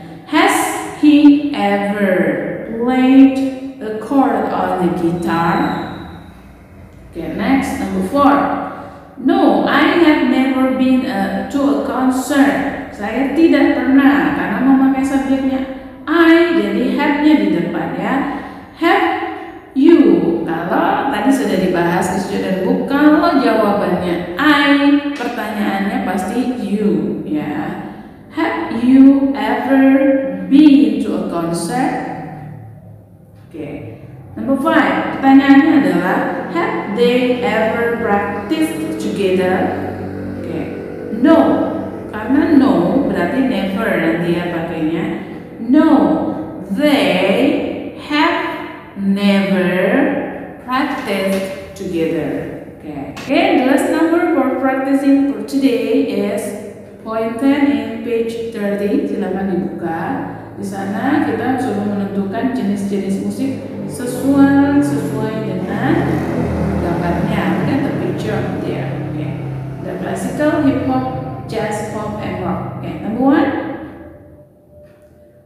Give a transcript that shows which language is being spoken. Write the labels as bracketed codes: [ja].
[en] Has he ever played the chord on the guitar? Oke, next, number 4. No, I have never been to a concert. [id] Saya tidak pernah, karena memakai subjeknya I, jadi have-nya di depan ya. [en] Have you, [id] kalau tadi sudah dibahas di student book, kalau jawabannya I, pertanyaannya pasti you ya. [en] Have you ever been to a concert? Oke. Number 5, [id] pertanyaannya adalah [en] have they ever practiced together? Oke. [id] No, karena no berarti never nanti ya pakainya. [en] No, they have never practiced together. Okay. And the last number for practicing for today is point 10 in page 30. [id] Silakan dibuka. Di sana kita sudah menentukan jenis-jenis musik sesuai dengan gambarnya. [en] Look at the picture up there. Okay. The classical, hip hop, jazz, pop, and rock. Okay. Number 1.